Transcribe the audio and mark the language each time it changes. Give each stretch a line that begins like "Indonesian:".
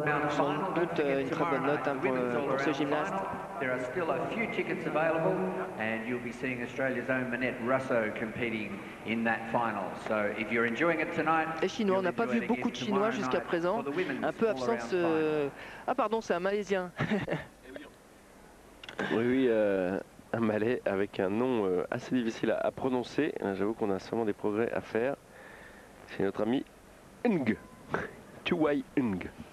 French: Sans doute une très bonne note pour ce gymnaste.
English: There are still a few tickets available and you'll be seeing Australia's own Manette Russo competing in that final. So if you're enjoying it tonight.
French: Les Chinois, on n'a pas vu beaucoup de Chinois jusqu'à présent. Un peu absent ce. Ah pardon, c'est un Malaisien. oui, un Malais avec un nom assez difficile à prononcer. J'avoue qu'on a sûrement des progrès à faire. C'est notre ami Ng. Tuai Ng.